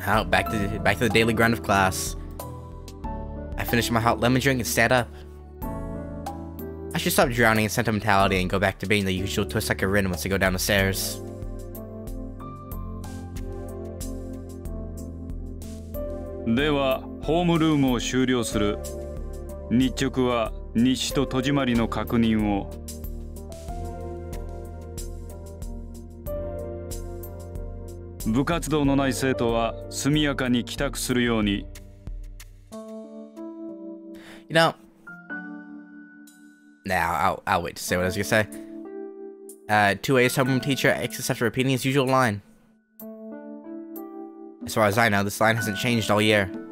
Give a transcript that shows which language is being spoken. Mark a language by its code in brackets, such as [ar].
[en] Back to the daily grind of class. I finish my hot lemon drink and stand up. I should stop drowning in sentimentality and go back to being the usual Tohsaka Rin once I go down the stairs. [ja] では、ホームルームを終了する。日直は日誌と戸締まりの確認を。部活動のない生徒は速やかに帰宅するように。 [en] You know, now I'll wait to say what I was gonna say. 2A's homeroom teacher exits after repeating his usual line. As far as I know, this line hasn't changed all year.